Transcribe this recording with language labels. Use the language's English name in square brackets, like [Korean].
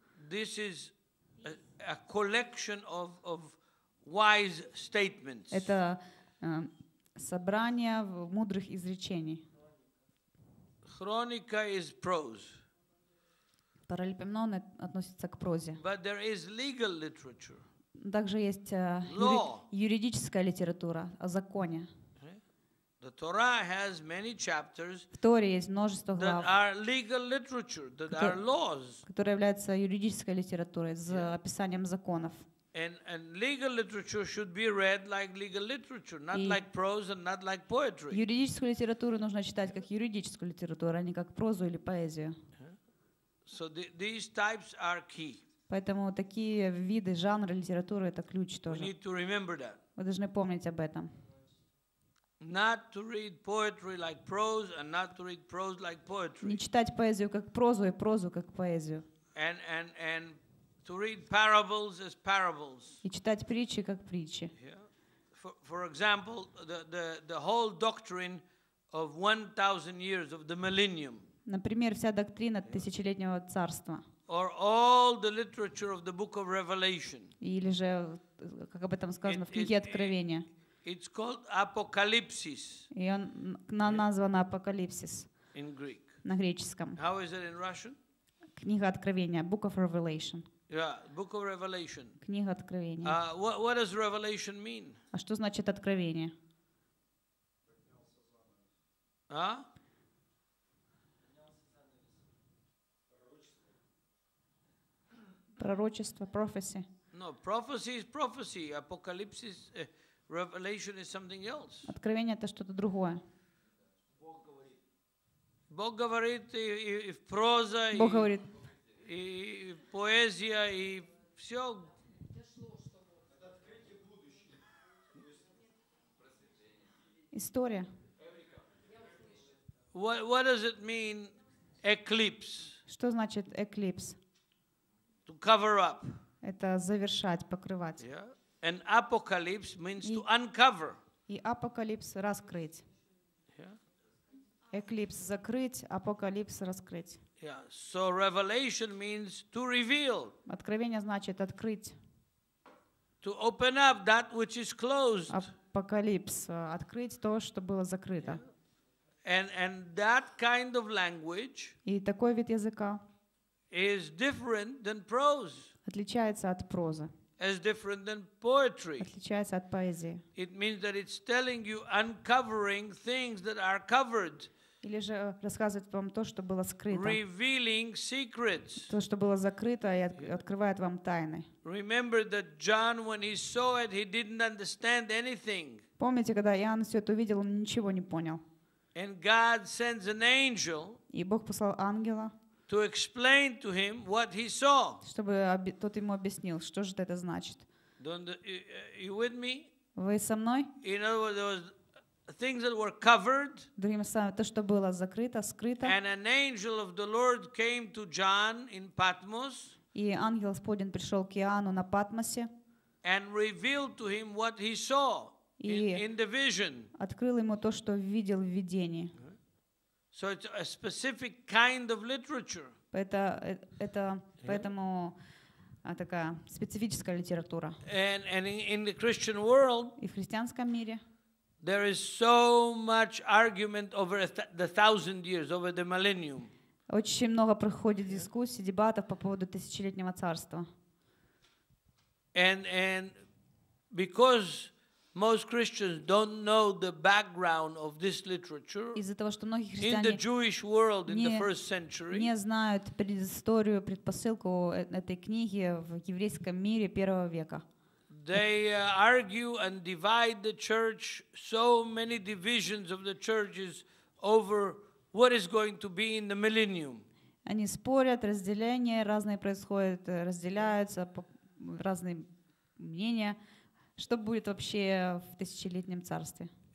[English] This is a collection of wise statements. [Russian] Это собрание мудрых изречений. [English] Chronica is prose. [Russian] Паралипоменон относится к прозе. [English] But there is legal literature. [Russian] Также есть юридическая литература о законе. [English] The Torah has many chapters [Russian] в Торе есть множество глав, [English] that are legal literature, that are laws. [Russian] Которые являются юридической литературой с описанием законов. [English] And legal literature should be read like legal literature, not like prose and not like poetry. [Russian] Юридическую литературу нужно читать как юридическую литературу, а не как прозу или поэзию. [English] So these types are key. [Russian] Поэтому такие виды, жанры литературы — это ключ тоже. [English] We need to remember that. [Russian] Вы должны помнить об этом. [English] Not to read poetry like prose and not to read prose like poetry. [Russian] Не читать поэзию как прозу и прозу как поэзию. [English] And to read parables as parables. [Russian] И читать притчи как притчи. [English] Yeah. For example, the whole doctrine of 1,000 years of the millennium. [Russian] Например, вся доктрина тысячелетнего царства. [English] Or all the literature of the book of Revelation. [Russian] Или же, как об этом сказано, в книге Откровения. [English] It's called Apocalypsis. [Russian] И он назван Апокалипсис. [English] In Greek. [Russian] На греческом. [English] How is it in Russian? [Russian] Книга Откровения, [English] Book of Revelation. Yeah, Book of Revelation. [Russian] Книга Откровения. [English] What does Revelation mean? [Russian] А что значит Откровение? А? Пророчество, [English] prophecy. No, prophecy is prophecy. Apocalypsis, revelation is something else. [Russian] Откровение это что-то другое. Бог говорит и в проза, Бог говорит. И в поэзия, и все. Это открытие будущего. История. [English] What does it mean, eclipse? [Russian] Что значит eclipse? [English] To cover up. [Russian] Это завершать, покрывать. [English] Yeah. And apocalypse means to uncover. [Russian] И апокалипс раскрыть. [English] Yeah. [Russian] Eclipse закрыть, апокалипс раскрыть. [English] Yeah. So revelation means to reveal. [Russian] Откровение значит открыть. [English] To open up that which is closed. [Russian] Апокалипс открыть то, что было закрыто. [English] Yeah. And that kind of language. [Russian] И такой вид языка. [English] Is different than prose. [Russian] Отличается от прозы. [English] Is different than poetry. [Russian] Отличается от поэзии. [English] It means that it's telling you uncovering things that are covered. [Russian] Или же рассказывает вам то, что было скрыто. [English] Revealing secrets. [Russian] То, что было закрыто, и открывает вам тайны. [English] Remember that John, when he saw it, he didn't understand anything. [Russian] Помните, когда Иоанн все это увидел, он ничего не понял. [English] And God sends an angel. [Russian] И Бог послал ангела. [English] To explain to him what he saw. [Russian] Чтобы тот ему объяснил, что же это значит. [English] You with me? [Russian] Вы со мной? [English] In other words, there was things that were covered. [Russian] Другими словами, то, что было закрыто, скрыто. [English] And an angel of the Lord came to John in Patmos. [Russian] И ангел Господень пришел к Иоанну на Патмосе. [English] And revealed to him what he saw in the vision. [Russian] Открыл ему то, что видел в видении. [English] So it's a specific kind of literature. [Russian] Это поэтому такая специфическая литература. [English] And in the Christian world, [Russian] и в христианском мире, [English] there is so much argument over the thousand years, over the millennium. [Russian] Очень много проходит дискуссий, дебатов по поводу тысячелетнего царства. [English] And because most Christians don't know the background of this literature. [Russian] Из-за того, что многие христиане [English] in the Jewish world in the first century [Russian] не знают предысторию, предпосылку этой книги в еврейском мире первого века. [English] They argue and divide the church. So many divisions of the churches over what is going to be in the millennium. [Russian] Они спорят, разделения разные происходят, разделяются разные мнения. Что будет вообще в тысячелетнем царстве?